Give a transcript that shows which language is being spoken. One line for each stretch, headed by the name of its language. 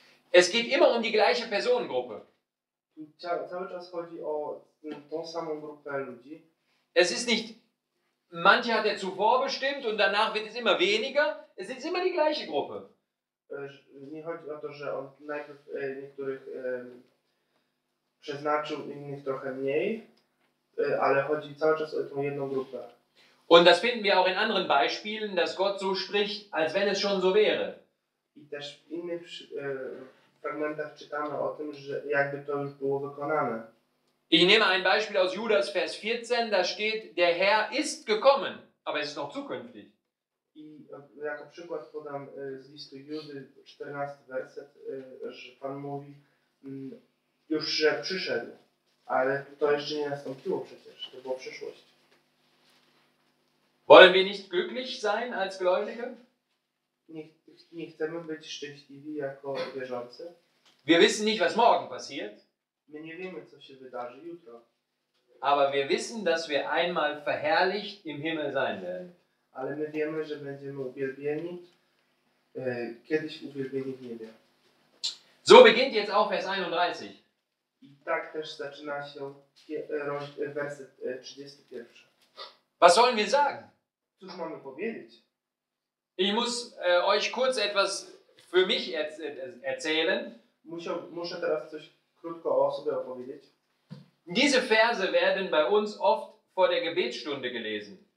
German: Es geht immer um die gleiche Personengruppe.
Polish: Cały czas chodzi o tą samą grupę ludzi.
German: Es ist nicht, manche hat er zuvor bestimmt und danach wird es immer weniger. Es ist immer die gleiche Gruppe.
Polish: Nie chodzi o to, że on najpierw niektórych przeznaczył innych trochę mniej, ale chodzi cały czas o tą jedną grupę.
German: Und das finden wir auch in anderen Beispielen, dass Gott so spricht, als wenn es schon so wäre.
Polish: I też w innych fragmentach czytamy o tym, że jakby to już było wykonane.
German: Ich nehme ein Beispiel aus Judas Vers 14, da steht, der Herr ist gekommen, aber es ist noch zukünftig.
Polish: I jako przykład podam z listu Judy 14 werset, że Pan mówi, już że przyszedł, ale to jeszcze nie nastąpiło przecież, to było przyszłość.
German: Wollen wir nicht glücklich sein als Gläubige?
Polish: Nie chcemy być szczęśliwi jako wierzący?
German: Wir wissen nicht, was morgen passiert.
Polish: My nie wiemy, co się wydarzy jutro.
German: Aber wir wissen, dass wir einmal verherrlicht im Himmel sein werden.
Polish: Ale my wiemy, że będziemy uwielbieni, kiedyś uwielbieni w niebie.
German: So beginnt jetzt auch Vers 31.
Polish: Tak też zaczyna się werset 31.
German: Was sollen wir sagen?
Polish: Cóż mamy powiedzieć?
German: Ich muss euch kurz etwas für mich erzählen.
Polish: Muszę teraz coś krótko o sobie opowiedzieć.
German: Diese Verse werden bei uns oft vor der Gebetsstunde gelesen.